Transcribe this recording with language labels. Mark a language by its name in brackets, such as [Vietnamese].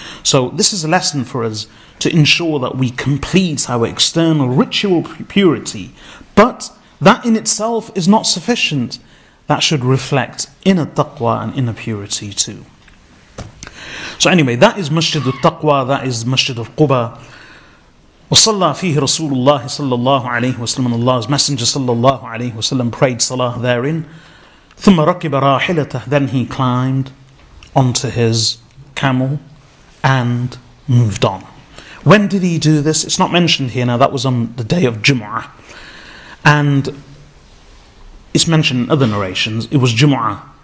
[English] So this is a lesson for us to ensure that we complete our external ritual purity. But that in itself is not sufficient. That should reflect inner taqwa and inner purity too. So anyway, that is Masjid al-Taqwa, that is Masjid of Quba. [Arabic] وصلى فيه رسول الله صلى الله عليه وسلم [English] and Allah's Messenger صلى الله عليه وسلم prayed salah therein. [Arabic] ثم ركب راحلته. [English] Then he climbed onto his camel and moved on. When did he do this? It's not mentioned here. Now that was on the day of Jumu'ah. And it's mentioned in other narrations. It was Jumu'ah.